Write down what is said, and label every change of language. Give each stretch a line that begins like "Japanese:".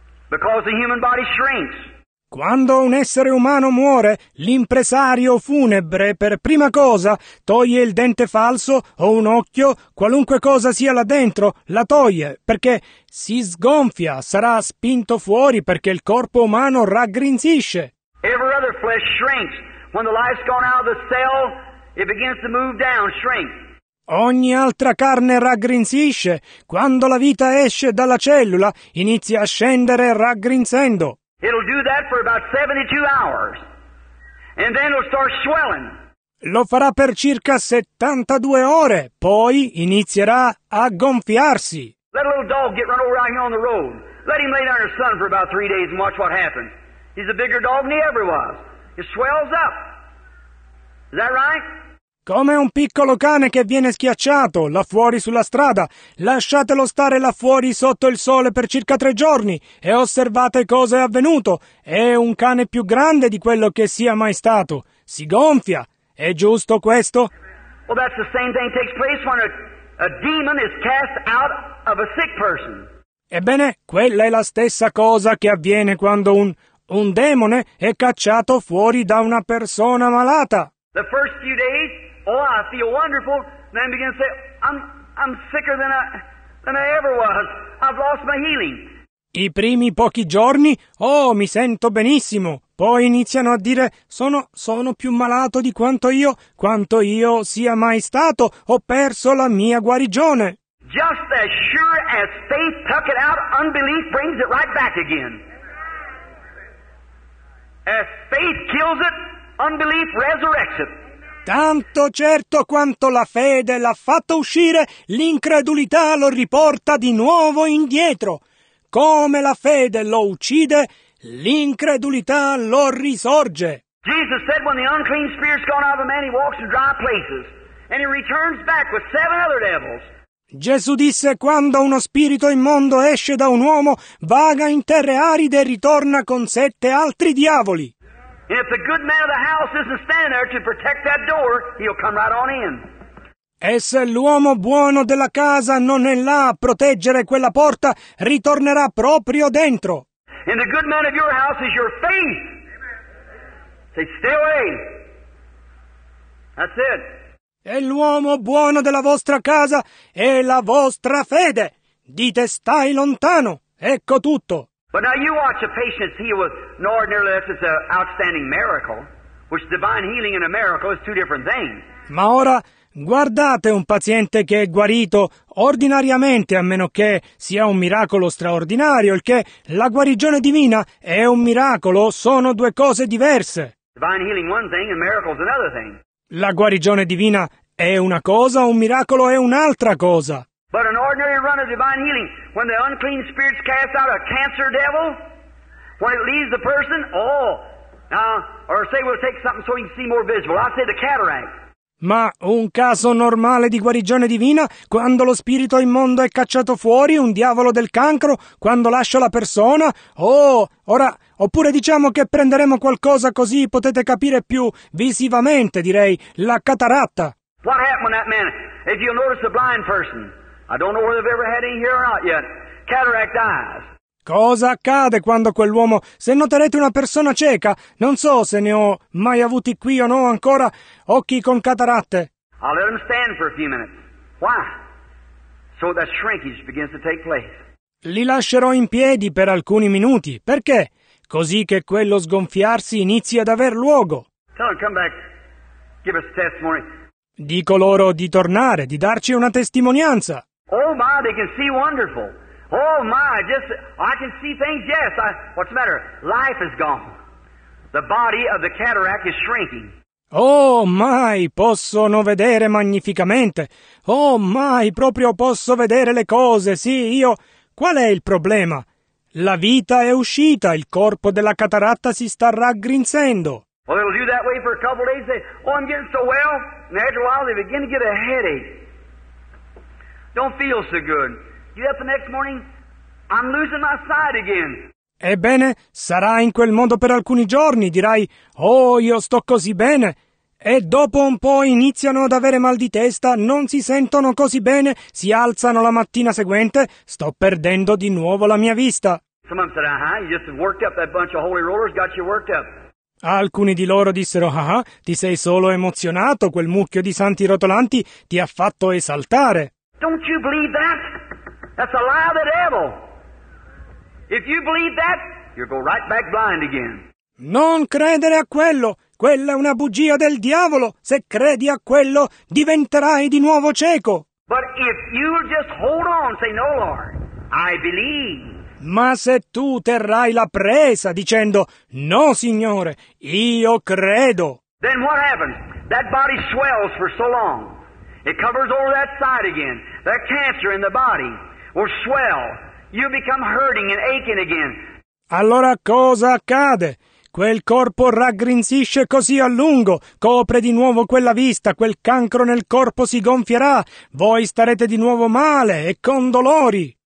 English: Because the human body shrinks.
Italian: Quando un essere umano muore, l'impresario funebre per prima cosa toglie il dente falso o un occhio, qualunque cosa sia là dentro, la toglie, perché si sgonfia, sarà spinto fuori perché il corpo umano raggrinzisce.
English: Every other flesh shrinks. When the life's gone out of the cell, it begins to move down, shrink.
Italian: Ogni altra carne raggrinzisce. Quando la vita esce dalla cellula, inizia a scendere raggrinzendo.
English: It'll do that for about 72 hours, and then it'll start swelling.
Italian: Lo farà per circa 72 ore, poi inizierà a gonfiarsi.
English: Let a little dog get run over out here on the road. Let him lay down in the sun for about 3 days and watch what happens. He's a bigger dog than he ever was. It swells up. Is that right?
Italian: Come un piccolo cane che viene schiacciato là fuori sulla strada. Lasciatelo stare là fuori sotto il sole per circa 3 giorni e osservate cosa è avvenuto. È un cane più grande di quello che sia mai stato. Si gonfia. È giusto questo?
English: Well, that's the same thing takes place when a demon is cast out of a sick person.
Italian: Ebbene, quella è la stessa cosa che avviene quando un demone è cacciato fuori da una persona malata.
English: The first few days, oh, I feel wonderful. Then begin to say, I'm sicker than I ever was. I've lost my healing.
Italian: I primi pochi giorni, oh, mi sento benissimo. Poi iniziano a dire, sono più malato di quanto io sia mai stato. Ho perso la mia guarigione.
English: Just as sure as faith tuck it out, unbelief brings it right back again. As faith kills it, unbelief resurrects it.
Italian: Tanto certo quanto la fede l'ha fatto uscire, l'incredulità lo riporta di nuovo indietro. Come la fede lo uccide, l'incredulità lo risorge.
English: Jesus said when the unclean spirit's gone out of a man, he walks in dry places, and he returns back with 7 other devils.
Italian: Gesù disse, quando uno spirito immondo esce da un uomo, vaga in terre aride e ritorna con 7 altri diavoli.
English: And if the good man of the house isn't standing there to protect that door, he'll come right on in.
Italian: E se l'uomo buono della casa non è là a proteggere quella porta, ritornerà proprio dentro.
English: And the good man of your house is your faith. Say, stay away. That's it.
Italian: E l'uomo buono della vostra casa è la vostra fede. Dite, stai lontano. Ecco tutto.
English: But now you watch a patient heal with no ordinary lift. It's an outstanding miracle, which divine healing and a miracle is two different things.
Italian: Ma ora guardate un paziente che è guarito ordinariamente, a meno che sia un miracolo straordinario, il che la guarigione divina è un miracolo, sono due cose diverse.
English: Divine healing one thing and miracle is another thing.
Italian: La guarigione divina è una cosa, un miracolo è un'altra cosa.
English: But an ordinary run of divine healing, when the unclean spirits cast out a cancer devil, when it leaves the person, oh, now, or say we'll take something so you can see more visible. I'll say the cataract.
Italian: Ma un caso normale di guarigione divina, quando lo spirito immondo è cacciato fuori, un diavolo del cancro, quando lascio la persona? Oh, ora, oppure diciamo che prenderemo qualcosa così potete capire più visivamente, direi, la cataratta.
English: What happened to that man? If you'll notice a blind person, I don't know whether they've ever had any here or not yet, cataract eyes.
Italian: Cosa accade quando quell'uomo, se noterete una persona cieca, non so se ne ho mai avuti qui o no ancora, occhi con cataratte?
English: I'll let him stand for a few minutes. Why? So that shrinkage begins to take place.
Italian: Li lascerò in piedi per alcuni minuti. Perché? Così che quello sgonfiarsi inizi ad aver luogo.
English: Tell him, come back. Give us a testimony.
Italian: Dico loro di tornare, di darci una testimonianza.
English: Oh my, they can see wonderful. Oh my, just, I can see things, yes, what's the matter? Life is gone. The body of the cataract is shrinking. Oh my,
Italian: possono vedere magnificamente.
English: Oh my,
Italian: proprio posso vedere le cose, sì, io. Qual è il problema? La vita è uscita, il corpo della cataratta si sta raggrinzendo.
English: Well, they'll do that way for a couple of days, say, oh, I'm getting so well, and after a while they begin to get a headache. Don't feel so good. Get up the next morning, I'm losing my sight again.
Italian: Ebbene, sarà in quel modo per alcuni giorni, dirai, oh, io sto così bene. E dopo un po' iniziano ad avere mal di testa, non si sentono così bene, si alzano la mattina seguente, sto perdendo di nuovo la mia vista.
English: Some of them said, uh-huh, you just worked up, that bunch of holy rollers got you worked up.
Italian: Alcuni di loro dissero, ah, ti sei solo emozionato, quel mucchio di santi rotolanti ti ha fatto esaltare.
English: Don't you believe that? That's a lie of the devil. If you believe that, you'll go right back blind again.
Italian: Non credere a quello. Quella è una bugia del diavolo. Se credi a quello, diventerai di nuovo cieco.
English: But if you just hold on, say, no, Lord, I believe.
Italian: Ma se tu terrai la presa dicendo, no, Signore, io credo.
English: Then what happens? That body swells for so long. It covers over that side again. That cancer in the body. Or swell, you become hurting and aching again.
Italian: Allora cosa accade? Quel corpo raggrinzisce così a lungo, copre di nuovo quella vista, quel cancro nel corpo si gonfierà, voi starete di nuovo male e con dolori.